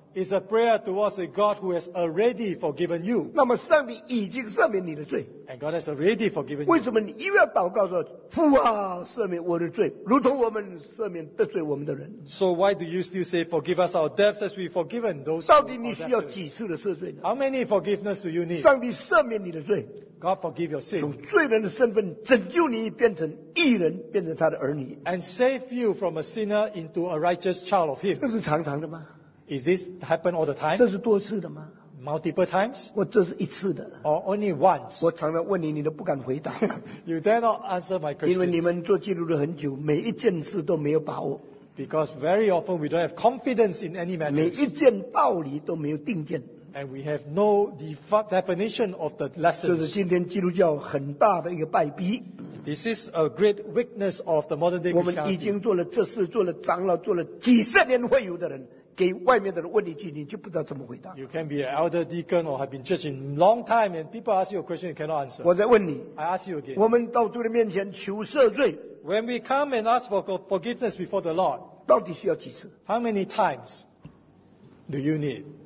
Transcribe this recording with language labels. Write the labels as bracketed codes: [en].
[en] it's a prayer towards a God who has already forgiven you. [zh] 那么上帝已经赦免你的罪, [en] and God has already forgiven you. [zh] 为什么你又要祷告说父啊赦免我的罪如同我们赦免得罪我们的人, [en] so why do you still say forgive us our debts as we've forgiven those who are debtors? [zh] 到底你需要几次的赦罪呢? [en] How many forgiveness do you need? [zh] 上帝赦免你的罪, [en] God forgive your sin. [zh] 从罪人的身份拯救你变成义人变成他的儿女, [en] and save you from a sinner into a righteous child of him. [zh] 这是常常的吗? [en] Is this happen all the time? [zh] 这是多次的吗? [en] Multiple times? [zh] 我这是一次的, [en] or only once? [zh] 我常常问你, 你都不敢回答, [en] you dare not answer my questions. [zh] 因为你们做基督的很久, 每一件事都没有把握, [en] because very often we don't have confidence in any matters. [zh] 每一件道理都没有定见, [en] and we have no definition of the lessons. [zh] 这是今天基督教很大的一个败笔, [en] this is a great weakness of the modern day Christianity. [zh] 我们已经做了这事, 做了长老, 做了几十年会友的人, 给外面的人问你一句你就不知道怎么回答, [en] you can be an elder deacon or have been church in a long time and people ask you a question you cannot answer. [zh] 我再问你, [en] I ask you again, [zh] 我们到主的面前求赦罪, [en] when we come and ask for forgiveness before the Lord, [zh] 到底需要几次? [en] How many times do you need?